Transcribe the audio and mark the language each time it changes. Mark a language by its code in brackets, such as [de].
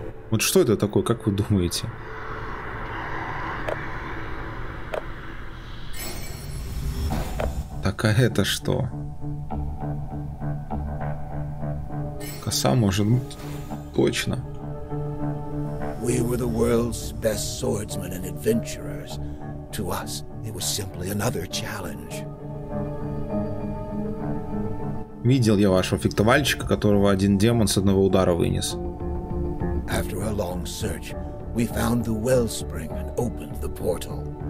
[ru] Вот что это такое, как вы думаете? Так, а это что? Коса, может быть? точно. [en] We were the world's best swordsmen and adventurers. To us, it was simply another challenge. [ru] Видел я вашего фехтовальщика, которого один демон с одного удара вынес. [en] After a long search, we found the wellspring and opened the portal.